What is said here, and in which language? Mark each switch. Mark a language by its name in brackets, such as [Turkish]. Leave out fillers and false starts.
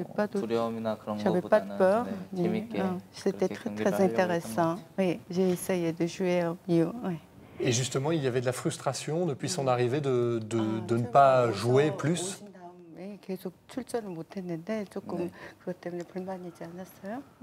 [Korean] 두려움이나 그런 것보다는 재밌게 [French] c'était très intéressant. Oui, j'ai essayé de jouer au mieux. Oui. Et justement, il y avait de la frustration depuis son arrivée de ne pas jouer plus. [Korean] 계속 출전을 못 했는데 조금 그것 때문에 불만이지 않았어요?